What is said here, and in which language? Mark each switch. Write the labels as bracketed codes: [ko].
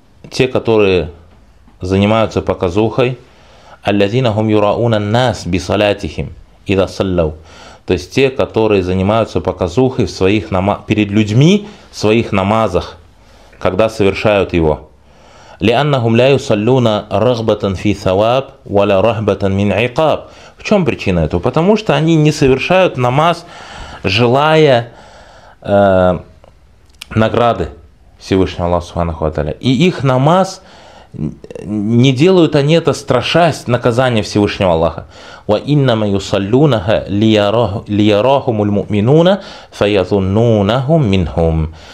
[ru] Те, которые занимаются показухой, [ar] аллазина хум юрауна нас бисалятихим, иза саллау. [ru] То есть те, которые занимаются показухой в своих перед людьми в своих намазах, когда совершают его. [ar] لأنهم لا يصلون رغبة في ثواب ولا رهبة من عقاب. [ru] В чем причина этого? Потому что они не совершают намаз, желая награды Всевышнего Аллаха Субханаху ва Тааля. И их намаз не делают они это, страшась наказания Всевышнего Аллаха. [ar] وَإِنَّمَا يُصَلُّونَهَا لِيَرَاهُمُ الْمُؤْمِنُونَ فَيَظُنُّونَهُمْ مِنْهُمْ.